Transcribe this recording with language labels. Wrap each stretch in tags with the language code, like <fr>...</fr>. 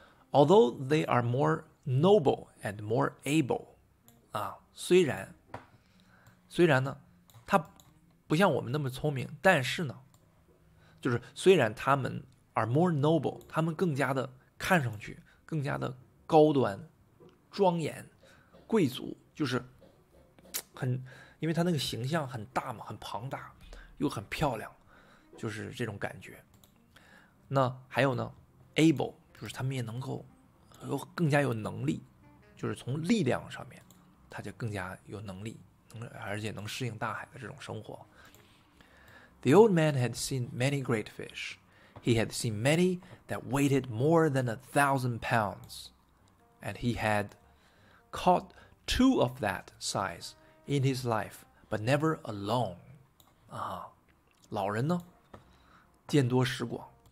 <en>Although they are more noble and more able,</en> <zh>啊，虽然呢，他。不像我们那么聪明，但是呢，就是虽然他们</zh> <en>are more noble，</en> <zh>他们更加的看上去更加的高端、庄严、贵族，就是很，因为他那个形象很大嘛，很庞大，又很漂亮，就是这种感觉。那还有呢 ，able 就是他们也能够有更加有能力，就是从力量上面，他就更加有能力。而且能适应大海的这种生活。</zh> <en>The old man had seen many great fish. He had seen many that weighed more than 1,000 pounds. And he had caught 2 of that size in his life, but never alone.</en> <zh>啊，老人呢，见多识广。</zh>